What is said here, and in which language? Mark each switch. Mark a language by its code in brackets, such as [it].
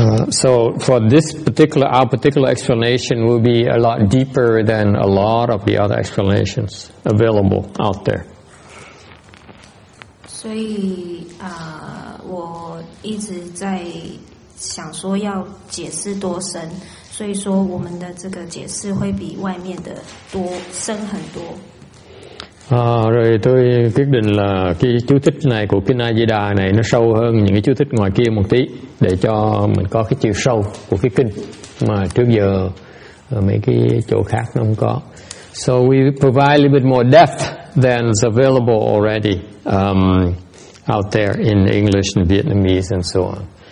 [en] So for this particular, our particular explanation will be a lot deeper than a lot of the other explanations available out there. [zh] 所以, 我一直在想说要解释多深, 所以说我们的这个解释会比外面的多深很多。 [vi] À, rồi tôi quyết định là cái chú thích này của kinh A Di Đà này nó sâu hơn những cái chú thích ngoài kia một tí để cho mình có cái chiều sâu của cái kinh mà trước giờ mấy cái chỗ khác nó không có. [en] So we provide a little bit more depth than is available already out there in English and Vietnamese and so on.